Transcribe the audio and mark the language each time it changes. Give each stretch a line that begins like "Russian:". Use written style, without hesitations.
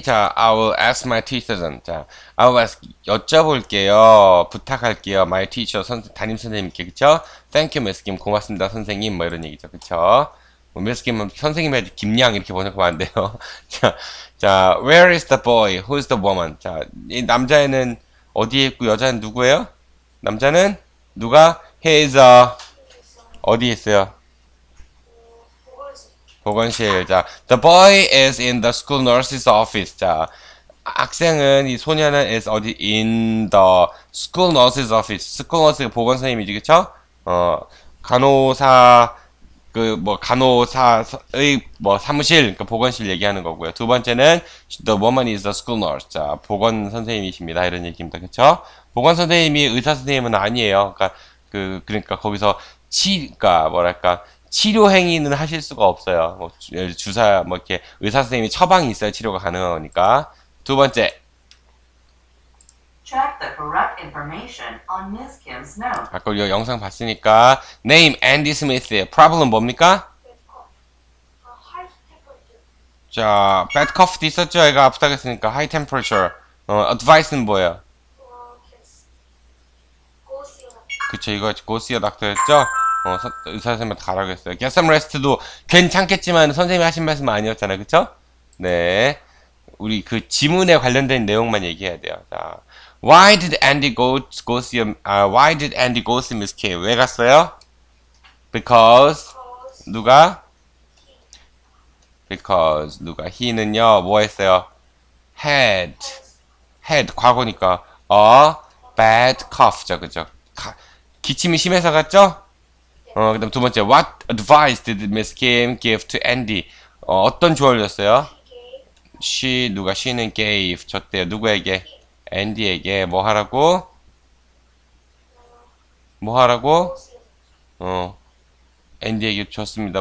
English: 자, I will ask my teacher then. 자, I will ask,
Korean: 여쭤볼게요. 부탁할게요. My teacher, 담임 선생님께, 그쵸?
English: Thank you, Miss Kim.
Korean: 고맙습니다, 선생님. 뭐 이런 얘기죠, 그쵸? Miss Kim은 선생님의 김양 이렇게 번역하면 안 돼요.
English: 자, where is the boy? Who's the woman?
Korean: 자, 이 남자애는 어디에 있고 여자는 누구예요? 남자는 누가? He is a, 어디에 있어요? 보건실.
English: 자, the boy is in the school nurse's office.
Korean: 자, 학생은, 이 소년은 is 어디?
English: In the school nurse's office.
Korean: school nurse가 보건 선생님이지, 그쵸? 간호사, 간호사의 사무실, 그 보건실 얘기하는 거고요. 두 번째는
English: the woman is the school nurse.
Korean: 자, 보건 선생님이십니다. 이런 얘기입니다. 그쵸? 보건 선생님이 의사 선생님은 아니에요. 그러니까 거기서 치가 뭐랄까? 치료 행위는 하실 수가 없어요. 뭐 주사, 뭐 이렇게 의사 선생님이 처방이 있어야 치료가 가능하니까. 두 번째.
English: Check the correct information on Ms. Kim's note.
Korean: 아까 우리 영상 봤으니까 name Andy Smith의 problem 뭡니까?
English: High
Korean: 자, bad cough 있었죠? 애가 아프다고 했으니까 high temperature. advice는 뭐예요?
English: temperature.
Korean: 그쵸, 이거 go see a doctor 했죠? 의사 선생님한테 가라고 했어요.
English: Get some rest
Korean: 도 괜찮겠지만 선생님이 하신 말씀 아니었잖아요. 그쵸? 네. 우리 그 지문에 관련된 내용만 얘기해야 돼요.
English: 자, Why did Andy go see why did Andy go see Miss K?
Korean: 왜 갔어요? Because 누가? Because 누가? He는요. 뭐 했어요?
English: Had
Korean: 과거니까
English: a bad cough죠.
Korean: 그죠? 기침이 심해서 갔죠? 그 다음 두 번째,
English: What advice did Miss Kim give to Andy?
Korean: 어떤 조언을 줬어요? She, 누가? She는 gave, 줬대요. 누구에게? Andy에게. 뭐 하라고? 뭐 하라고? Andy에게 줬습니다.